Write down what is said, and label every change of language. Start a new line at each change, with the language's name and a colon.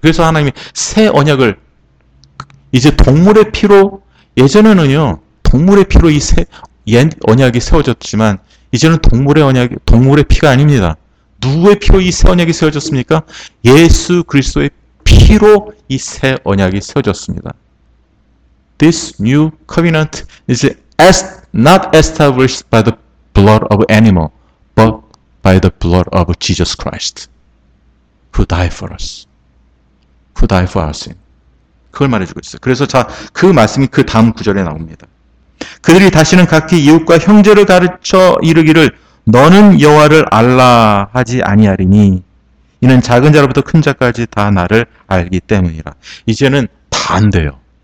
Korean: 그래서 하나님이 새 언약을 이제 동물의 피로, 예전에는요, 동물의 피로 이 새, 옛 언약이 세워졌지만 이제는 동물의 언약이, 동물의 피가 아닙니다. 누구의 피로 이새 언약이 세워졌습니까? 예수 그리스도의 피로 이새 언약이 세워졌습니다.
English: This new covenant is not established by the blood of animal, but by the blood of Jesus Christ, who died for us, who died for our sin.
Korean: 그걸 말해주고 있어요. 그래서 자, 그 말씀이 그 다음 구절에 나옵니다. 그들이 다시는 각기 이웃과 형제를 가르쳐 이르기를 너는 여호와를 알라 하지 아니하리니 이는 작은 자로부터 큰 자까지 다 나를 알기 때문이라. 이제는 다안 돼요.